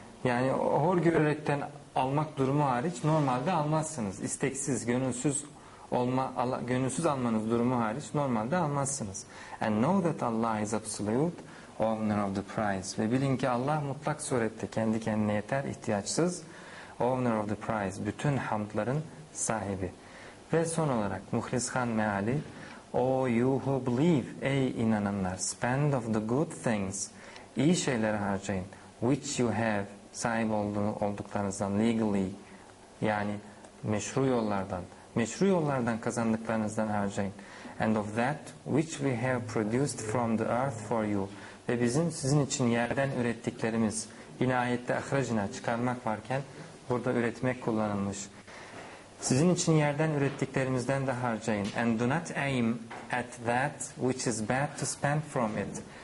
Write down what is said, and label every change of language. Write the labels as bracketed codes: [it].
[tr] Yani hor görerekten almak durumu hariç normalde almazsınız. İsteksiz, gönülsüz gönülsüz almanız durumu hariç normalde almazsınız. [en] And know that Allah is absolute owner of the prize. [tr] Ve bilin ki Allah mutlak surette kendi kendine yeter, ihtiyaçsız. [en] Owner of the prize. [tr] Bütün hamdların sahibi. Ve son olarak Muhlis Han meali, [en] O you who believe, [tr] ey inananlar, [en] spend of the good things, [tr] iyi şeylere harcayın, [en] which you have [tr] sahip olduklarınızdan, legally, yani meşru yollardan, meşru yollardan kazandıklarınızdan harcayın. [en] And of that which we have produced from the earth for you. [tr] Ve bizim sizin için yerden ürettiklerimiz, yine ayette ahrajına çıkarmak varken burada üretmek kullanılmış. Sizin için yerden ürettiklerimizden de harcayın. [en] And do not aim at that which is bad to spend from it.